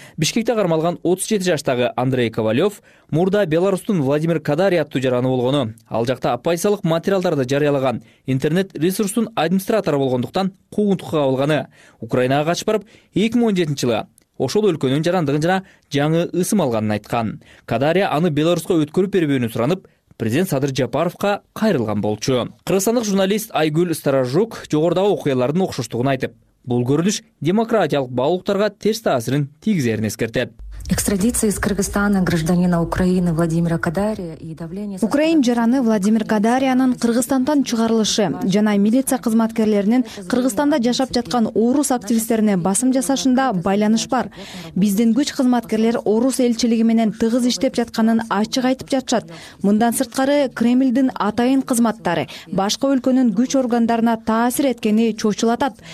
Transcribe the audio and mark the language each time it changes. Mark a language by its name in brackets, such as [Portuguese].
[Kyrgyz] Бишкекте кармалган 37 жаштагы Андрей Ковалев мурда Беларусьтун Владимир Кадария аттуу жараны болгону, ал жакта оппозициялык материалдарды жарыялаган интернет ресурстун администратору болгондуктан куугунтукка кабылганы, Украинага качып барып 2017-жылы ошол өлкөнүн жарандыгын жана жаңы ысым алганын айткан. Кадария аны Беларусько өткөрүп бербөөнү суранып, президент Садыр Жапаровко кайрылган болчу. Кыргызстандык журналист Айгүл Старожук жогордагы окуялардын окшоштугун айтып, бул көрүнүш демократиялык баалуулуктарга терс таасирин тийгизерин эскертет. [Russian] Экстрадиция из Кыргызстана гражданина Украины Владимира Кадария и давление... [Kyrgyz] Украин жараны Владимир Кадарияның Кыргызстандан чыгарылышы жана милиция кызматкерлеринин Кыргызстанда жашап жаткан орус активисттерине басым жасашында байланыш бар. Биздин күч кызматкерлер орус элчилиги менен тыгыз иштеп жатканын ачык айтып жатышат. Мындан сырткары Кремлдин атайын кызматтары башка өлкөнүн күч органдарына таасир эткени чочулатат.